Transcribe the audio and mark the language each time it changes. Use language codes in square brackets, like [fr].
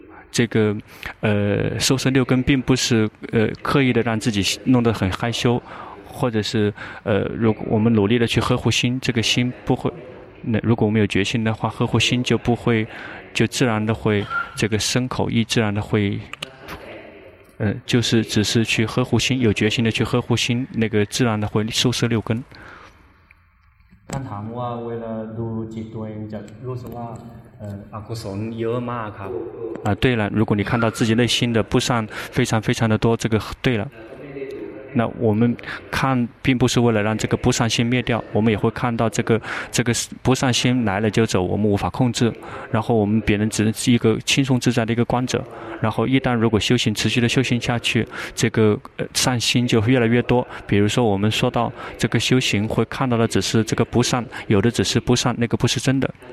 [zh] 这个收拾六根并不是刻意的让自己弄得很害羞或者是如果我们努力的去呵护心这个心不会那如果我们有决心的话呵护心就不会就自然的会这个身口意自然的会就是只是去呵护心有决心的去呵护心那个自然的会收拾六根 [th] ท่านถามว่าเวลาดูจิตตัวเองจะรู้สึกว่าอกุศลเยอะมากครับ [zh] 对了如果你看到自己内心的不善非常非常的多这个对了那我们看并不是为了让这个不善心灭掉我们也会看到这个不善心来了就走我们无法控制然后我们别人只是一个轻松自在的一个观者然后一旦如果修行持续的修行下去这个善心就越来越多比如说我们说到这个修行会看到的只是这个不善有的只是不善那个不是真的